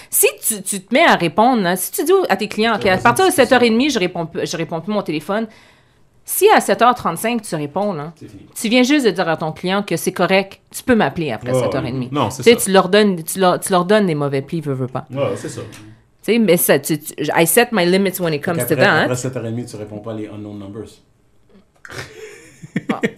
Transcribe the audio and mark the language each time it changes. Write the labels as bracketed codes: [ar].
[fr] Si tu te mets à répondre, là, si tu dis à tes clients, OK, à partir de 7h30, je réponds plus mon téléphone. Si à 7h35, tu réponds, là, tu viens juste de dire à ton client que c'est correct, tu peux m'appeler après 7h30. Non, c'est Tu leur donnes des mauvais plis, veux pas. Ouais, c'est ça. Tu sais, mais ça, [en] I set my limits when it comes to that. [fr] Après 7h30, tu réponds pas les [en] unknown numbers.